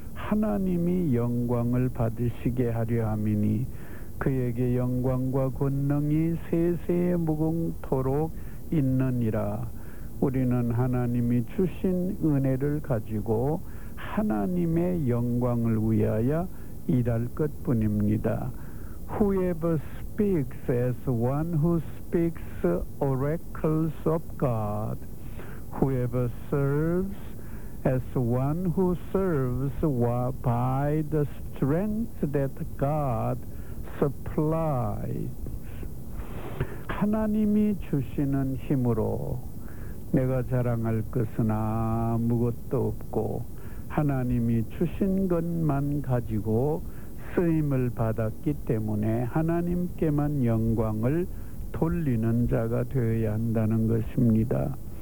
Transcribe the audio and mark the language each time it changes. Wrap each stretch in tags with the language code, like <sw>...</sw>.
<ko>하나님이 영광을 받으시게 하려 함이니 그에게 영광과 권능이 세세에 무궁토록 있느니라. 우리는 하나님이 주신 은혜를 가지고 하나님의 영광을 위하여 일할 것뿐입니다.</ko> <en>Whoever speaks as one who speaks oracles of God, whoever serves as one who serves by the strength that God supplies.</en> <ko>하나님이 주시는 힘으로 내가 자랑할 것은 아무것도 없고 하나님이 주신 것만 가지고 쓰임을 받았기 때문에 하나님께만 영광을 돌리는 자가 되어야 한다는 것입니다.</ko>